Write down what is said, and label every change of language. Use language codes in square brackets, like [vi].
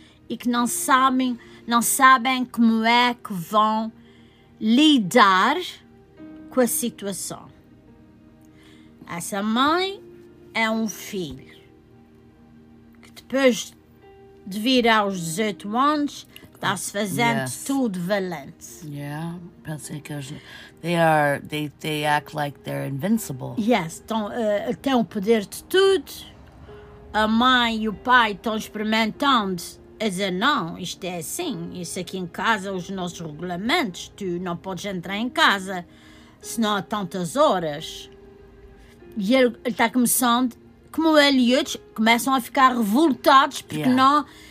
[pt] E que não sabem como é que vão lidar com a situação. Essa mãe é um filho. Que depois de vir aos 18 anos, está-se fazendo tudo valente. [en] Yeah, pensei que eles, they act like they're invincible. [pt] Yes, têm o poder de tudo. A mãe e o pai estão experimentando a dizer, não, isto é assim, isso aqui em casa, os nossos regulamentos, tu não podes entrar em casa, senão há tantas horas. E ele está começando, como ele e outros, começam a ficar revoltados porque não...